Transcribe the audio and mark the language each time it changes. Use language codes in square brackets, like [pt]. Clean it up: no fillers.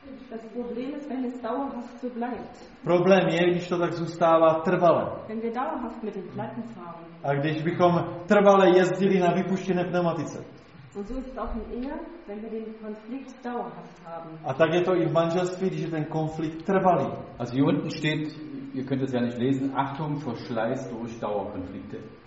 [de] Das Problem ist, wenn es dauerhaft so bleibt. [cs] Problém je, když to tak zůstává trvale. [de] Wenn wir dauerhaft mit den Platten fahren. [cs] A když bychom trvale jezdili na vypuštěné pneumatice. [de] Und so ist es auch in Ehe, wenn wir den Konflikt dauerhaft haben. [cs] A tak je to i v manželství, když je ten konflikt trvalý. [de] Also hier unten steht, ihr könnt es ja nicht lesen, Achtung vor Schleiß durch Dauerkonflikte.